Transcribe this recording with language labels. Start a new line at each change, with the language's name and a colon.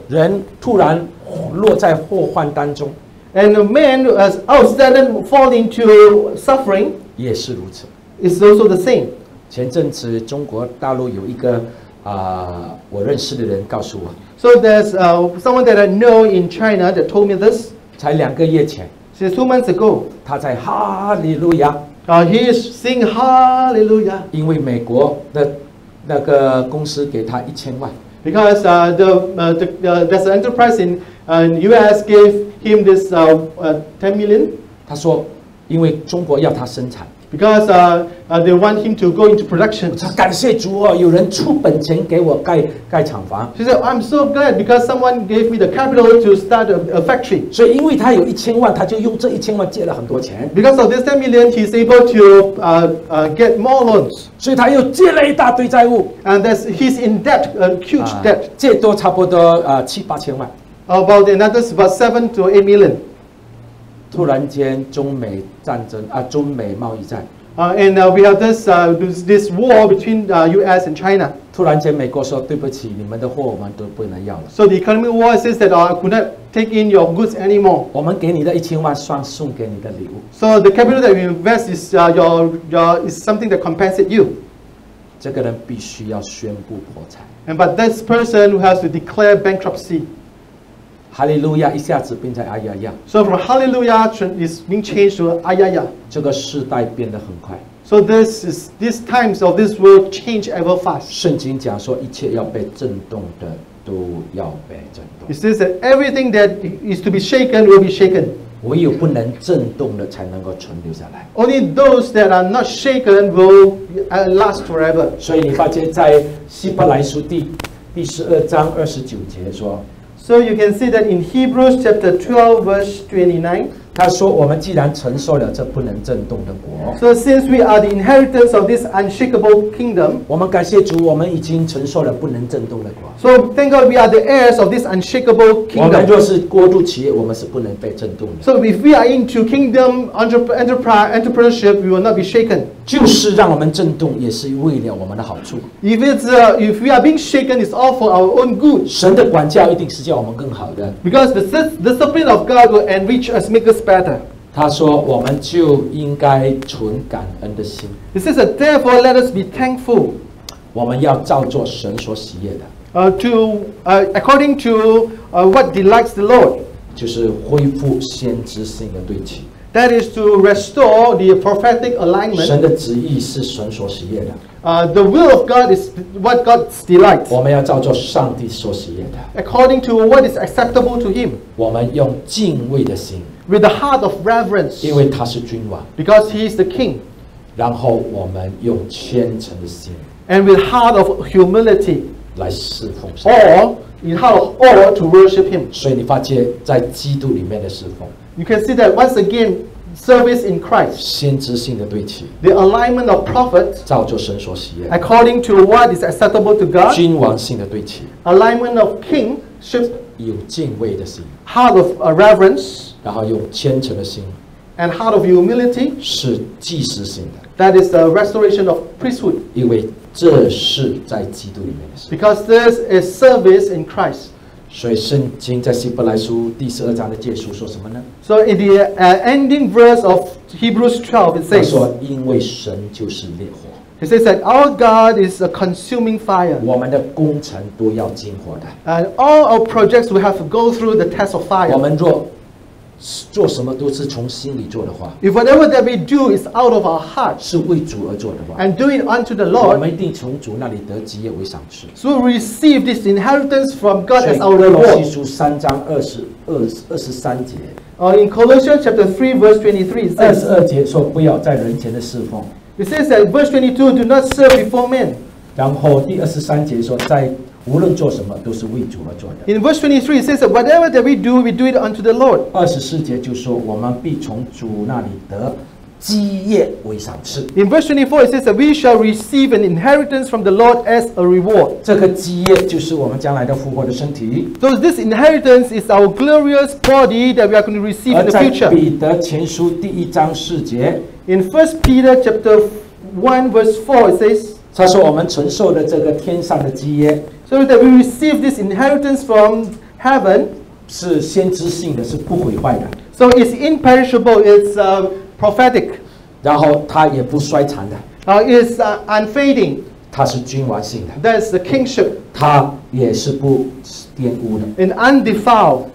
Chinese: 人突然落在祸患当中。
English: And a man has suddenly fall into suffering.
Chinese: 也是如此。
English: It's also the same.
Chinese: 前阵子中国大陆有一个我认识的人告诉我。
English: So there's someone that I know in China that told me this.
Chinese: 才两个月前。
English: Just 2 months ago,
Chinese: 他在哈利路亚。
English: He is singing Hallelujah.
Chinese: 因为美国的那个公司给他1000万。
English: Because there's an enterprise in US gave him this $10 million.
Chinese: 他说，因为中国要他生产。
English: Because they want him to go into production.
Chinese: 他感谢主哦，有人出本钱给我盖厂房。
English: He said, "I'm so glad because someone gave me the capital to start a factory."
Chinese: 所以因为他有一千万，他就用这一千万借了很多钱。
English: Because of this $10 million, he's able to get more loans.
Chinese: 所以他又借了一大堆债务。
English: And that's he's in debt, a huge debt.
Chinese: 借多差不多七八千万。
English: About another about $7 to $8 million.
Chinese: 突然间，中美战争中美贸易战。
English: We have this war between U.S. and China.
Chinese: 突然间，美国说对不起，你们的货我们都不能要了。
English: So the economic war says that I could not take in your goods anymore.
Chinese: 我们给你的一千万算送给你的礼物。
English: So the capital that we invest is your is something that compensates you.
Chinese: 这个人必须要宣布破产。
English: And but this person who has to declare bankruptcy.
Chinese: 哈利路亚一下子变成哎呀呀。
English: So from Hallelujah is being changed to
Chinese: 哎呀呀。这个时代变得很快。
English: So these times of this world change ever fast.
Chinese: 圣经讲说一切要被震动的都要被震动。
English: It says that everything that is to be shaken will be shaken.
Chinese: 唯有不能震动的才能够存留下来。
English: Only those that are not shaken will last forever.
Chinese: 所以你发现在希伯来书第十二章二十九节说
English: So you can see that in Hebrews chapter 12, verse 29,
Chinese: 他说我们既然承受了这不能震动的国，
English: So since we are the inheritance of this unshakable kingdom，
Chinese: 我们感谢主，我们已经承受了不能震动的国。
English: So thank God we are the heirs of this unshakable kingdom，
Chinese: 我们若是过渡企业，我们是不能被震动的。
English: So if we are into kingdom entrepreneurship， we will not be shaken，
Chinese: 就是让我们震动也是为了我们的好处。
English: If we are being shaken it's all for our own good，
Chinese: 神的管教一定是叫我们更好的。
English: Because the discipline of God will enrich us， make us better。
Chinese: 他说我们就应该存感恩的心。
English: He says that therefore let us be thankful，
Chinese: 我们要照做神所喜悦的。
English: According to what delights the Lord，
Chinese: 就是恢复先知性的对齐。
English: That is to restore the prophetic alignment。
Chinese: 神的旨意是神所喜悦的。
English: The will of God is what God's delight。
Chinese: 我们要照做上帝所喜悦的。
English: According to what is acceptable to Him，
Chinese: 我们用敬畏的心。
English: With a heart of reverence，
Chinese: 因为他是君王。
English: Because he is the king，
Chinese: 然后我们用虔诚的心。
English: And with heart of humility，
Chinese: 来侍奉。
English: Or in heart of awe to worship him。
Chinese: 所以你发现在基督里面的侍奉，
English: You can see that once again service in Christ，
Chinese: 先知性的对齐。
English: The alignment of prophets，
Chinese: 照着神所喜悦。
English: According to what is acceptable to God，
Chinese: 君王性的对齐。
English: Alignment of kingship，
Chinese: 有敬畏的心。
English: Heart of reverence，
Chinese: 然后用虔诚的心。
English: And heart of humility，
Chinese: 是祭司性的。
English: That is the restoration of priesthood，
Chinese: 因为这是在基督里面的事。
English: Because this is service in Christ。
Chinese: 所以圣经在希伯来书第十二章的结束说什么呢？
English: So in the ending verse of Hebrews 12 it says，
Chinese: 他说因为神就是烈火。
English: He says that our God is a consuming fire，
Chinese: 我们的工程都要经过的。
English: And all our projects will have to go through the test of fire。
Chinese: 我们若做什么都是从心里做的话，
English: If whatever that we do is out of our heart，
Chinese: 是为主而做的话，
English: And do it unto the Lord，
Chinese: 我们一定从主那里得基业为赏赐。
English: So we receive this inheritance from God as our reward。
Chinese: 所以哥罗西书三章二十三节，
English: In Colossians chapter 3 verse 23 it says，
Chinese: 22节说不要在人前的侍奉。
English: It says that verse 22 do not serve before men。
Chinese: 然后第23节说在无论做什么都是为主而做的。
English: In verse 23 it says that whatever that we do it unto the Lord。
Chinese: 24节就说我们必从主那里得基业为赏赐。
English: In verse 24 it says that we shall receive an inheritance from the Lord as a reward。
Chinese: 这个基业就是我们将来的复活的身体。
English: So this inheritance is our glorious body that we are going to receive in the future。
Chinese: 而在彼得前书第一章四节，
English: In 1 Peter chapter 1 verse 4 it says，
Chinese: 他说我们承受的这个天上的基业，
English: So that we receive this inheritance from heaven，
Chinese: 是先知性的，是不毁坏的。
English: So it's imperishable, it's prophetic，
Chinese: 然后它也不衰残的。
English: It's unfading，
Chinese: 它是君王性的。
English: That's the kingship，
Chinese: 它也是不玷污的。
English: And undefiled，